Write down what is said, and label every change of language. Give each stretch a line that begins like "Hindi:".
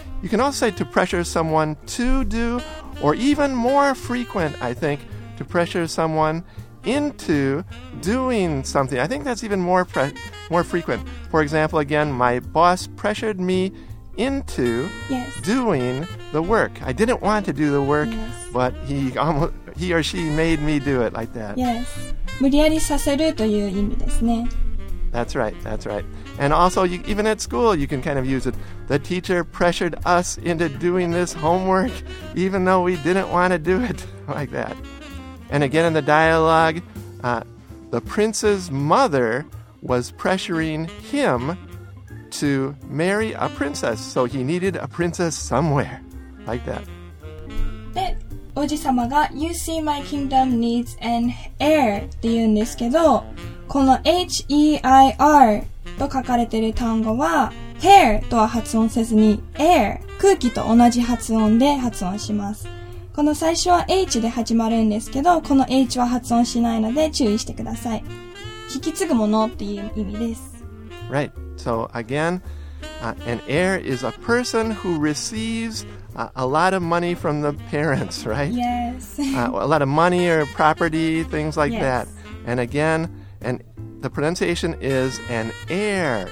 English: You can also say to pressure someone to do, or even more frequent, I think, to pressure someone into doing something. I think that's even more frequent. For example, again, my boss pressured me into yes. doing the work. I didn't want to do the work, yes. but he almost... He or she made me do it like that. Yes.
Japanese: 無理やりさせるという意味ですね。
English: That's right. And also, even at school, you can kind of use it. The teacher pressured us into doing this homework, even though we didn't want to do it like that. And again, in the dialogue, the prince's mother was pressuring him to marry a princess, so he needed a princess somewhere like that.
Japanese: 王子様が
English: You see my kingdom needs an heir
Japanese: って言うんですけど、この H-E-I-R と書かれている単語は Heir とは発音せずに Air、 空気と同じ発音で発音します。この最初は H で始まるんですけど、この H は発音しないので注意してください。引き継ぐものっていう意味です。
English: Right, so again、an heir is a person who receivesa lot of money from the parents, right? Yes. a lot of money or property, things like yes. that. And again, and the pronunciation is an air.